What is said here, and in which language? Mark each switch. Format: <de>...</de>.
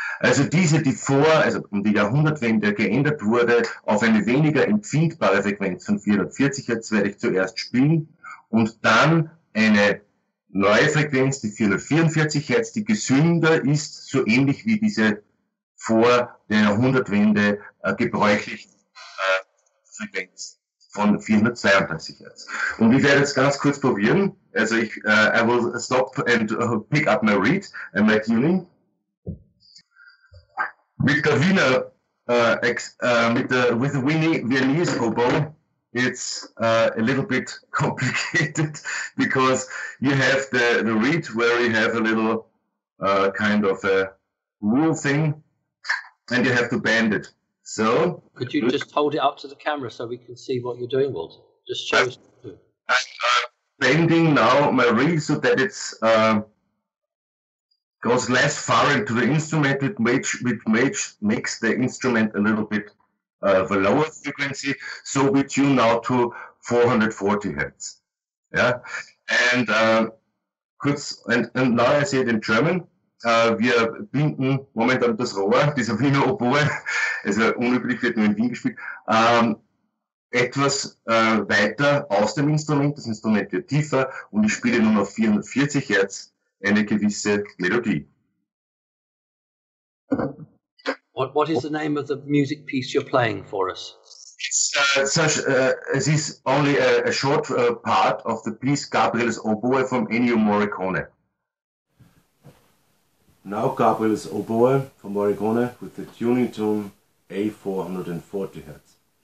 <de>Also diese, die vor, also um die Jahrhundertwende geändert wurde, auf eine weniger empfindbare Frequenz von 440 Hertz werde ich zuerst spielen und dann eine neue Frequenz, die 444 Hertz, die gesünder ist, so ähnlich wie diese vor der Jahrhundertwende gebräuchliche Frequenz von 432 Hertz. Und ich werde jetzt ganz kurz probieren. Also ich</de> <en>I will stop and pick up my reed and my tuning.</en> <de>Mit der Wiener,</de> <en>with the Viennese oboe, it's a little bit complicated because you have the reed where you have a little kind of a wool thing and you have to bend it. So, could you just hold it up to the camera so we can see what you're doing, Walter? Just show us. I'm bending now my reed so that it goes less far into the instrument, which makes the instrument a little bit of a lower frequency, so we tune now to 440 hertz. Yeah, and kurz and now I say it in German.</en> <de>Wir binden momentan das Rohr, dieser Wiener Oboe, also unüblich wird nur in Wien gespielt, etwas weiter aus dem Instrument, das Instrument wird tiefer und ich spiele nun auf 440 hertz eine gewisse Melodie.</de> <en>What is the name of the music piece you're playing for us? It is only a short part of the piece Gabriel's Oboe from Ennio Morricone. Now Gabriel's Oboe from Morricone with the tuning tone A440 Hz.</en>